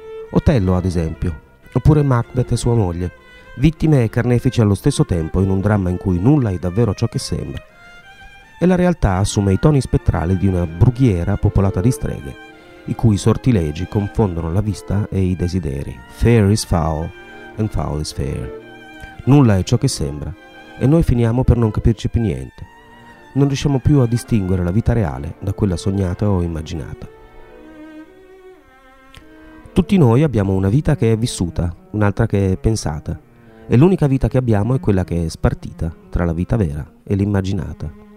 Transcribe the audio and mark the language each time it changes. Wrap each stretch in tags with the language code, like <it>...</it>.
<it>Otello, ad esempio, oppure Macbeth e sua moglie, vittime e carnefici allo stesso tempo in un dramma in cui nulla è davvero ciò che sembra. E la realtà assume i toni spettrali di una brughiera popolata di streghe, i cui sortilegi confondono la vista e i desideri.</it> <en>Fair is foul, and foul is fair.</en> <it>Nulla è ciò che sembra, e noi finiamo per non capirci più niente. Non riusciamo più a distinguere la vita reale da quella sognata o immaginata. Tutti noi abbiamo una vita che è vissuta, un'altra che è pensata, e l'unica vita che abbiamo è quella che è spartita tra la vita vera e l'immaginata.</it>